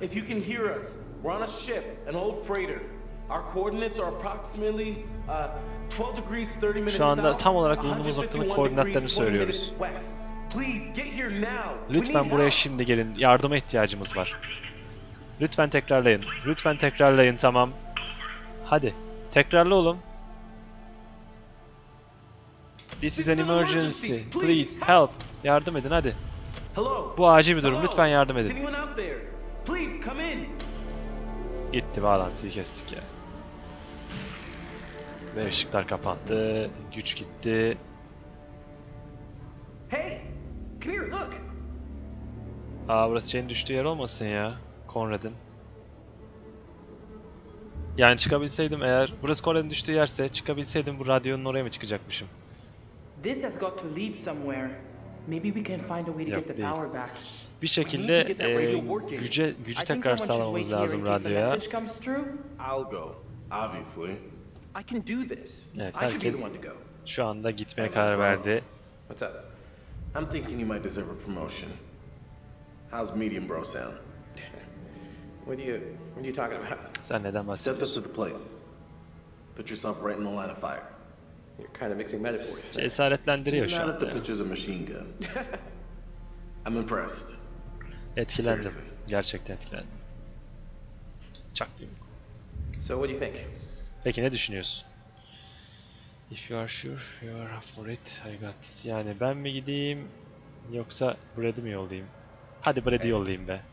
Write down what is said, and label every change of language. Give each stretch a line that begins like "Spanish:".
English: If you can hear us, we're on a ship, an old freighter. Our coordinates are approximately 12 degrees 30 minutes south.
Turkish: Şu anda tam olarak bulunduğumuz noktanın koordinatlarını söylüyoruz.
English: Please get here now.
Turkish: Lütfen buraya şimdi gelin. Yardıma ihtiyacımız var. Lütfen tekrarlayın. Lütfen tekrarlayın, tamam. Hadi. Tekrarla oğlum.
English: This is an emergency. Please help.
Turkish: Yardım edin hadi.
English: Hello.
Turkish: Bu acil bir durum. Lütfen yardım edin.
English: Anyone out there? Please come in.
Turkish: Gitti, bağlantıyı kestik ya. Ve ışıklar kapandı. Güç gitti.
English: Hey. Come here, look.
Turkish: Aa, burası şeyin düştüğü yer olmasın ya, Conrad'ın. Yani çıkabilseydim eğer, burası Kore'nin düştüğü yerse, çıkabilseydim bu radyonun oraya mı çıkacakmışım?
English: This has got to lead somewhere. Maybe we can find a way to get the power back.
Turkish: Bir şekilde gücü tekrar sağlamamız lazım radyoya.
English: I'll go, obviously. I can do this.
Turkish: Evet, herkes şu anda gitmeye karar verdi.
English: What's up? I'm thinking you might deserve a promotion. How's medium bro sound? What are you talking about?
Turkish: Sen neden bahsediyorsun?
English: Step up to the plate. Put yourself right in the line of fire. You're kind of mixing metaphors.
Turkish: Cesaretlendiriyor şu anda.
English: Not if the pitcher's a machine gun. I'm impressed.
Turkish: Etkilendim. Gerçekten etkilendim. Çaklayayım.
English: So what do you think?
Turkish: Peki ne düşünüyorsun?
English: If you are sure you are up for it, I got this.
Turkish: Yani ben mi gideyim yoksa Brad'i mi yollayayım? Hadi Brad'i yollayayım be.